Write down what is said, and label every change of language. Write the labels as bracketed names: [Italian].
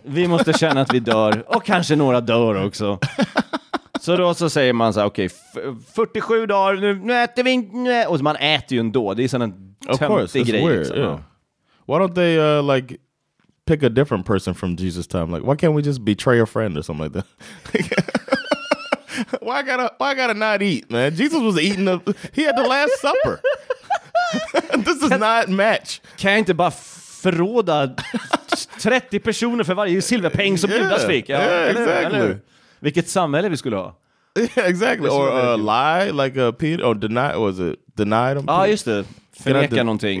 [Swedish] Vi måste känna att vi dör. Och kanske några dör också. Så då så säger man så här, okej, 47 dagar, nu äter vi... Och man äter ju ändå. Det är sån en töntig grej. [English] Of course, it's weird, [Swedish] liksom. Yeah. [English] Why don't they, like, pick a different person from Jesus' time? Like, why can't we just betray a friend or something like that? why gotta not eat, man? Jesus was eating he had the last supper. This does not match. [Swedish] Kan inte bara... förråda 30 personer för varje silverpeng som Judas fick. Ja, exactly. Eller? Vilket samhälle vi skulle ha. [English] Yeah, exactly. Or a lie, like a Peter, or deny, was it? Denied him? [Swedish] Ja, just det. Förneka någonting.